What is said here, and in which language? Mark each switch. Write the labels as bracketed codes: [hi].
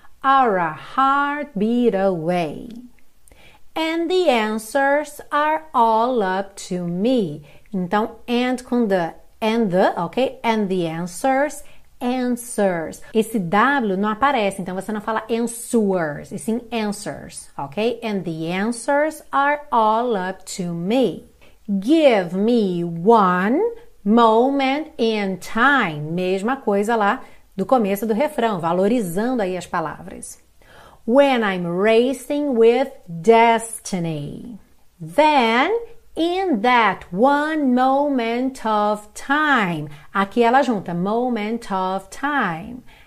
[en] Are a heartbeat away. And the answers are all up to me. [pt] Então, and com the. And the, ok? [en] And the answers, answers. [pt] Esse W não aparece, então você não fala answers, e sim answers, ok? [en] And the answers are all up to me. Give me one moment in time. [pt] Mesma coisa lá do começo do refrão, valorizando aí as palavras. [en] When I'm racing with destiny. Then, in that one moment of time. [pt] Aqui ela junta, [en] moment of time.